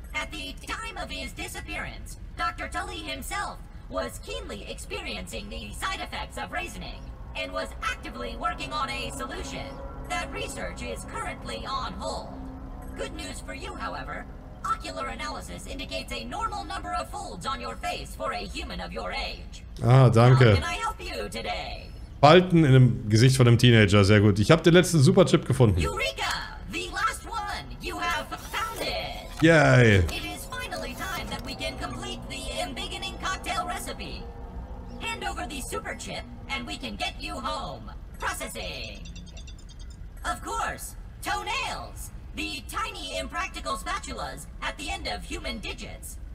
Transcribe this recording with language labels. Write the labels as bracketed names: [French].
[English] At the time of his disappearance, Dr. Tully himself was keenly experiencing the side effects of reasoning and was actively working on a solution. That research is currently on hold. Good news for you, however. Ocular analysis indicates a normal number of folds on your face for a human of your age. [German] Ah, danke. [English] How can I help you today? [German] Falten in dem Gesicht von einem Teenager, sehr gut. Ich habe den letzten Superchip gefunden. [English] Eureka, the last one you have found it. Yay. It is finally time that we can complete the embiggening cocktail recipe. Hand over the superchip and we can get you home. Processing. Of course, toenails, the tiny impractical spatulas at the end of human digits.